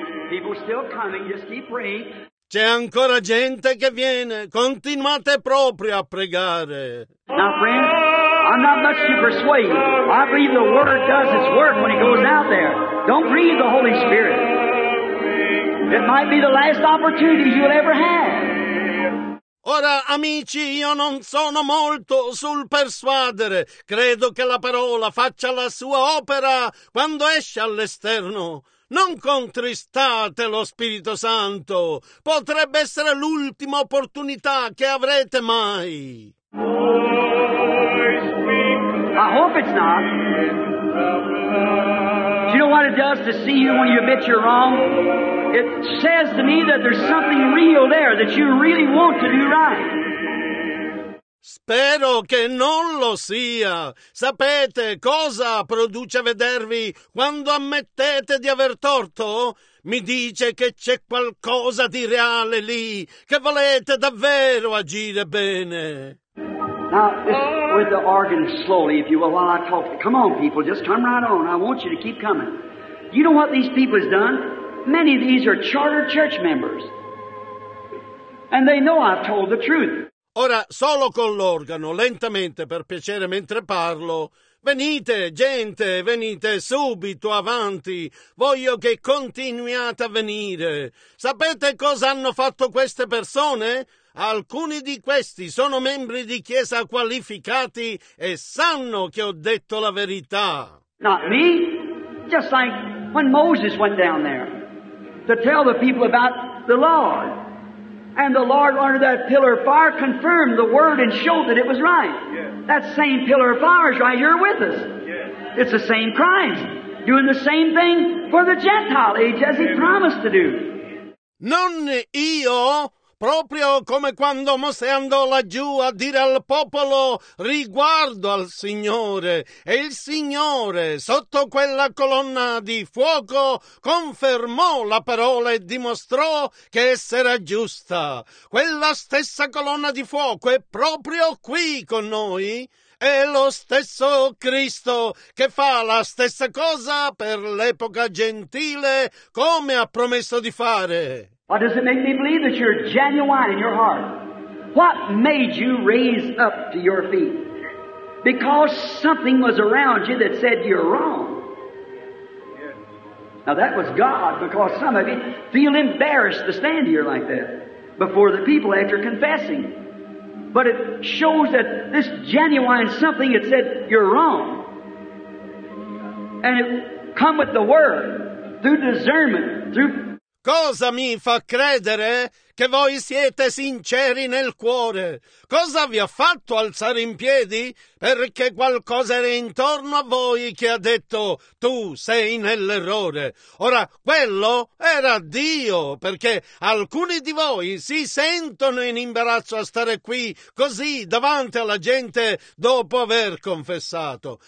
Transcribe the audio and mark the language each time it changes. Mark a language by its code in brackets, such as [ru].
[en] People still coming, just keep praying. [it] C'è ancora gente che viene, continuate proprio a pregare. [en] Now friend, I'm not much to persuade. I believe the word does its work when it goes out there. Don't grieve the Holy Spirit. It might be the last opportunity you'll ever have. [it] Ora, amici, io non sono molto sul persuadere. Credo che la parola faccia la sua opera quando esce all'esterno. Non contristate lo Spirito Santo. Potrebbe essere l'ultima opportunità che avrete mai. [en] I hope it's not. Do you know what it does to see you when you admit you're wrong? It says to me that there's something real there that you really want to do right. [it] Spero che non lo sia. Sapete cosa produce vedervi quando ammettete di aver torto? Mi dice che c'è qualcosa di reale lì, che volete davvero agire bene. [en] Now, with the organ slowly, if you will, while I talk. Come on, people, just come right on. I want you to keep coming. You know what these people have done? Many of these are charter church members. And they know I've told the truth. [it] Ora, solo con l'organo, lentamente, per piacere, mentre parlo. Venite, gente, venite subito avanti. Voglio che continuiate a venire. Sapete cosa hanno fatto queste persone? Alcuni di questi sono membri di chiesa qualificati e sanno che ho detto la verità. [en] Not me. Just like when Moses went down there to tell the people about the Lord. And the Lord under that pillar of fire confirmed the word and showed that it was right. Yes. That same pillar of fire is right here with us. Yes. It's the same Christ doing the same thing for the Gentile age as He promised to do. [it] Non io, proprio come quando Mosè andò laggiù a dire al popolo riguardo al Signore, e il Signore sotto quella colonna di fuoco confermò la parola e dimostrò che essa era giusta. Quella stessa colonna di fuoco è proprio qui con noi. È lo stesso Cristo che fa la stessa cosa per l'epoca gentile come ha promesso di fare. [en] Or does it make me believe that you're genuine in your heart? What made you raise up to your feet? Because something was around you that said you're wrong. Now that was God, because some of you feel embarrassed to stand here like that before the people after confessing. But it shows that this genuine something, it said, you're wrong. And it come with the word, through discernment, through... [it] Cosa mi fa credere che voi siete sinceri nel cuore? Cosa vi ha fatto alzare in piedi? Perché qualcosa era intorno a voi che ha detto tu sei nell'errore. Ora, quello era Dio, perché alcuni di voi si sentono in imbarazzo a stare qui così davanti alla gente dopo aver confessato.